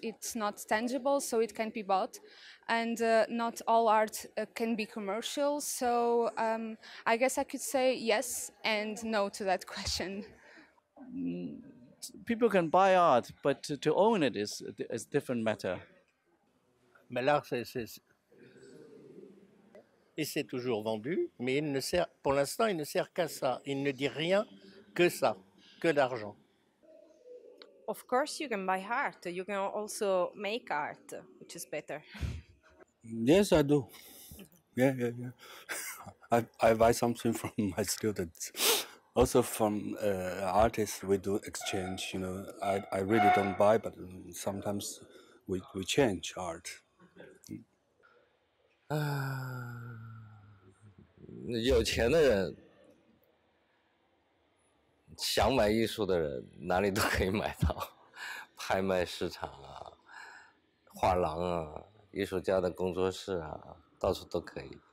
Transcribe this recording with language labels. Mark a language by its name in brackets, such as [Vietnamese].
[English] It's not tangible, so it can't be bought. And not all art can be commercial, so I guess I could say yes and no to that question. People can buy art, but to own it is a different matter. [French] Mais l'art, c'est toujours vendu, mais il ne sert, pour l'instant, il ne sert qu'à ça. Il ne dit rien que ça, que d'argent. [English] Of course, you can buy art. You can also make art, which is better. Yes, I do. Yeah. I buy something from my students. Also from artists, we do exchange. You know, I really don't buy, but sometimes we change art. [Chinese] 有钱的人想买艺术的人哪里都可以买到，拍卖市场啊，画廊啊。艺术家的工作室啊，到处都可以。